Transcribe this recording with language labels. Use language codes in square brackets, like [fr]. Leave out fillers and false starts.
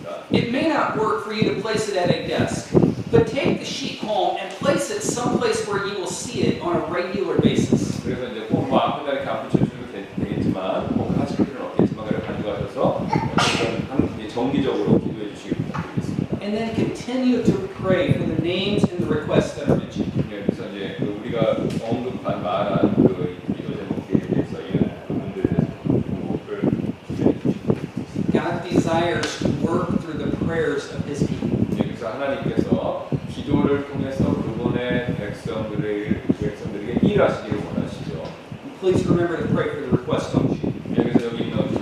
[en] It may not work for you to place it at a desk, but take the sheet home and place it someplace where you will see it on a regular basis. [ko] 그래서 이제 꼭 뭐 아픈 날에 안 붙여주셔도 되겠지만 꼭 하실 필요는 없겠지만 그래 가져가셔서 정기적으로 기도해 주시기 부탁드리겠습니다. [en] And then continue to pray for the names and the requests that are mentioned. [ko] 네, 그래서 이제 그 우리가 언급한 말한 그 기도 제목들에 대해서 이런 부분들에 대해서 기도해 주시기 [en] God desires to work through the prayers of His people. [ko] 네, 그래서 하나님께서 기도를 통해서 그분의 백성들에게 일하시기를 [en] Please remember to pray for the request, don't